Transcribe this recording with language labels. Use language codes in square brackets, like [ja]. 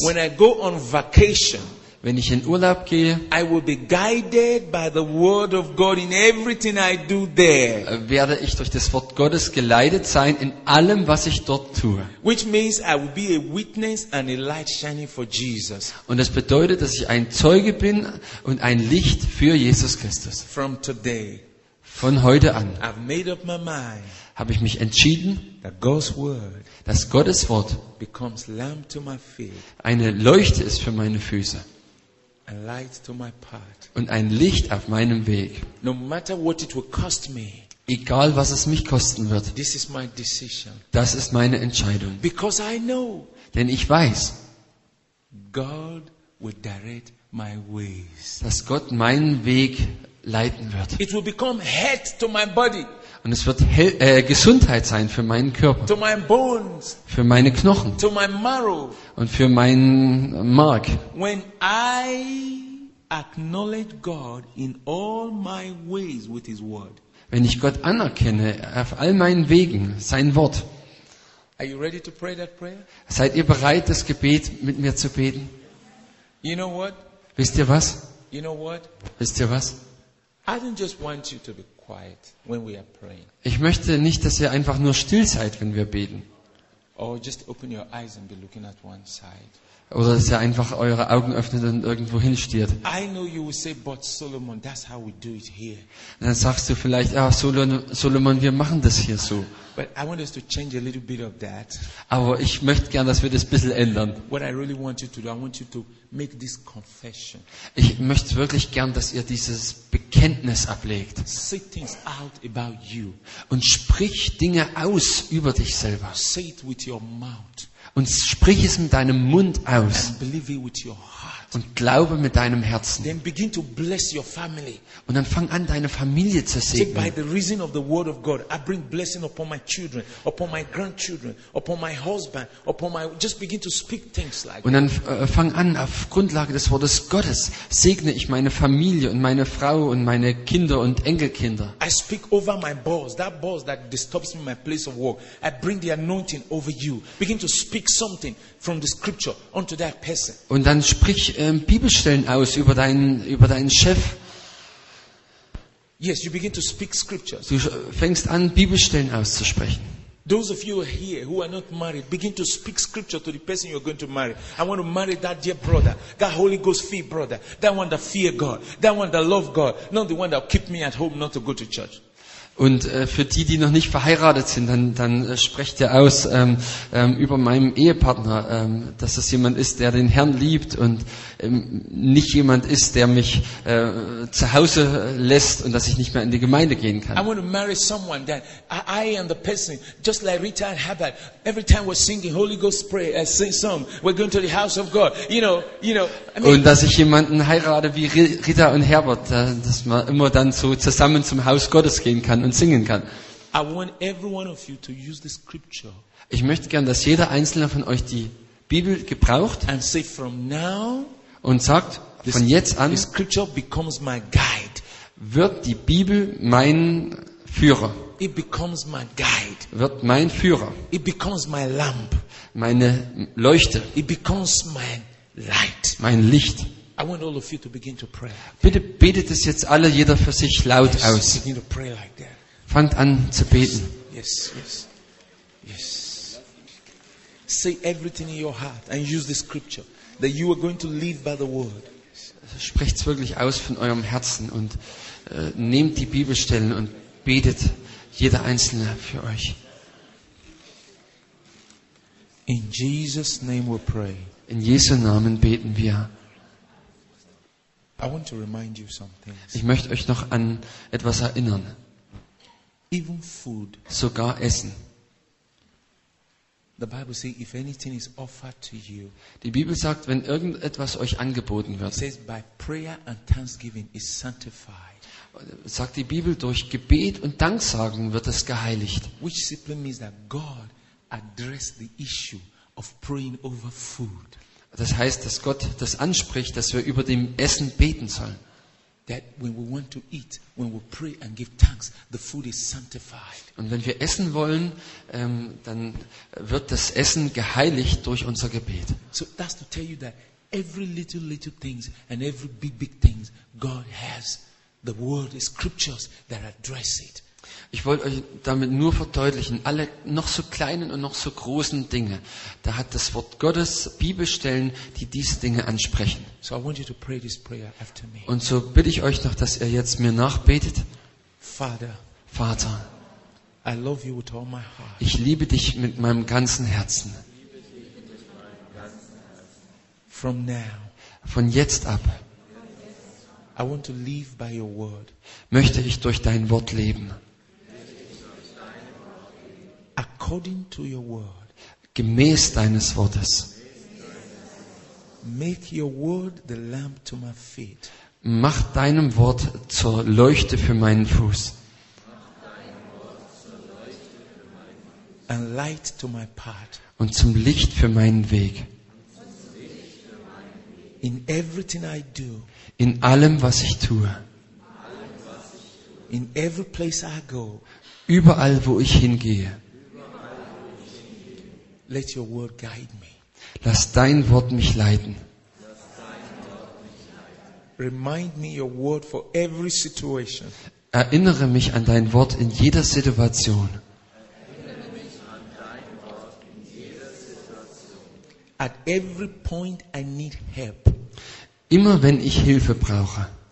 [en] When I go on vacation, [de] wenn ich in Urlaub gehe, [en] I will be guided by the word of God in everything I do there. [de] Werde ich durch das Wort Gottes geleitet sein in allem, was ich dort tue. [en] Which means I will be a witness and a light shining for Jesus. [de] Und das bedeutet, dass ich ein Zeuge bin und ein Licht für Jesus Christus. [en] From today. [de] Von heute an [en] I've made up my mind, [de] habe ich mich entschieden, [en] God's word, [de] dass Gottes Wort [en] becomes lamp to my feet, [de] eine Leuchte ist für meine Füße [en] a light to my path, [de] und ein Licht auf meinem Weg. [en] No matter what it will cost me, [de] egal, was es mich kosten wird, [en] this is my decision, [de] das ist meine Entscheidung. [en] Because I know, [de] denn ich weiß, [en] God will direct my ways. [de] Dass Gott meinen Weg leiten wird. [en] It will become health to my body. [de] Und es wird Gesundheit sein für meinen Körper. [en] To my bones. [de] Für meine Knochen. [en] To my marrow. [de] Und für meinen Mark. [en] When I acknowledge God in all my ways with his word. [de] Wenn ich Gott anerkenne auf all meinen Wegen, sein Wort. [en] Are you ready to pray that prayer? [de] Seid ihr bereit, das Gebet mit mir zu beten? [en] You know what? [de] Wisst ihr was? [en] You know what? [de] Wisst ihr was? [en] I don't just want you to be quiet when we are praying. [de] Ich möchte nicht, dass ihr einfach nur still seid, wenn wir beten. [en] Or just open your eyes and be looking at one side. [de] Oder dass ihr einfach eure Augen öffnet und irgendwo hinstiert. [en] I know you will say, but Solomon, that's how we do it here. [de] Dann sagst du vielleicht, ah, Solomon, wir machen das hier so. [en] But I want us to change a little bit of that. [de] Aber ich möchte gern, dass wir das ein bisschen ändern. [en] What I really want you to do, I want you to make this confession. [de] Ich möchte wirklich gern, dass ihr dieses Bekenntnis ablegt. [en] Say things out about you. [de] Und sprich Dinge aus über dich selber. [en] Say it with your mouth. [de] Und sprich es mit deinem Mund aus. [en] And believe it with your heart. [de] Und glaube mit deinem Herzen. [en] Then begin to bless your family. [de] Und dann fang an, deine Familie zu segnen. [en] By the reason of the word of God, I bring blessing upon my children, upon my grandchildren, upon my husband, upon my. Just begin to speak things like. [de] Und dann fang an, auf Grundlage des Wortes Gottes segne ich meine Familie und meine Frau und meine Kinder und Enkelkinder. [en] I speak over my boss, that boss that disturbs me in my place of work. I bring the anointing over you. Begin to speak something from the scripture unto that person. [de] Und dann sprich Bibelstellen aus über deinen Chef. [en] Yes, you begin to speak scriptures. [de] Du fängst an, Bibelstellen auszusprechen. [en] Those of you here who are not married, begin to speak scripture to the person you're going to marry. I want to marry that dear brother, that Holy Ghost fear brother, that one that fear God, that one that love God, not the one that keep me at home not to go to church. [de] Und für die, die noch nicht verheiratet sind, dann sprecht ihr aus über meinem Ehepartner, dass das jemand ist, der den Herrn liebt und nicht jemand ist, der mich zu Hause lässt und dass ich nicht mehr in die Gemeinde gehen kann. [en] I want to marry someone that I am the person, just like Rita and Habakkuk. Every time we're singing Holy Ghost pray a song, we're going to the house of God. You know. I mean, [de] und dass ich jemanden heirate wie Rita und Herbert, dass man immer dann so zusammen zum Haus Gottes gehen kann und singen kann. [en] I want every one of you to use the scripture. [de] Ich möchte gern, dass jeder einzelne von euch die Bibel gebraucht [en] and say from now, [de] und sagt, von jetzt an [en] the scripture becomes my guide. [de] Wird die Bibel mein Führer. [en] It becomes my guide. [de] Wird mein Führer. [en] It becomes my lamp. [de] Meine Leuchte. [en] It becomes my light. [de] Mein Licht. [en] I want all of you to begin to pray. [de] Bitte betet es jetzt alle, jeder für sich laut [en] yes, [de] aus. [en] You need to pray like that. [de] Fangt an zu beten. [en] Yes, yes, yes. Say everything in your heart and use the scripture that you are going to live by the word. [de] Sprecht's wirklich aus von eurem Herzen und nehmt die Bibelstellen und betet jeder einzelne für euch. [en] In Jesus name we pray. [de] In Jesu Namen beten wir. [en] I want to remind you something. [de] Ich möchte euch noch an etwas erinnern. [en] Even food. [de] Sogar Essen. [en] The Bible says if anything is offered to you. [de] Die Bibel sagt, wenn irgendetwas euch angeboten wird. [en] It says by prayer and thanksgiving is sanctified. [de] Sagt die Bibel, durch Gebet und Danksagen wird es geheiligt. [en] Which simply means that God addressed the issue of praying over food. [de] Das heißt, dass Gott das anspricht, dass wir über dem Essen beten sollen. [en] That when we want to eat, when we pray and give thanks, the food is sanctified. [de] Und wenn wir essen wollen, dann wird das Essen geheiligt durch unser Gebet. [en] So that's to tell you that every little things and every big things God has. The word is scriptures that address it. [de] Ich wollte euch damit nur verdeutlichen, alle noch so kleinen und noch so großen Dinge, da hat das Wort Gottes Bibelstellen, die diese Dinge ansprechen. [en] So I want you to pray this prayer after me. [de] Und so bitte ich euch noch, dass ihr jetzt mir nachbetet. Vater, [en] I love you with all my heart. [de] Ich liebe dich mit meinem ganzen Herzen. [en] From now. [de] Von jetzt ab. [en] I want to live by your word. [de] Möchte ich durch dein Wort leben. [en] According to your word. [de] Gemäß deines Wortes. [en] Make your word the lamp to my feet. [de] Mach deinem Wort zur Leuchte für meinen Fuß. [en] And light to my path. [de] Und zum Licht für meinen Weg. [en] In everything I do. [de] In allem, was ich tue. [en] In every place I go. [de] Überall, wo ich hingehe. [en] Let your word guide me. [de] Lass dein Wort mich leiten. [en] Remind me your word for every situation. [de] Erinnere mich an dein Wort in jeder Situation. [en] At every point I need help. [de] Immer wenn ich Hilfe brauche.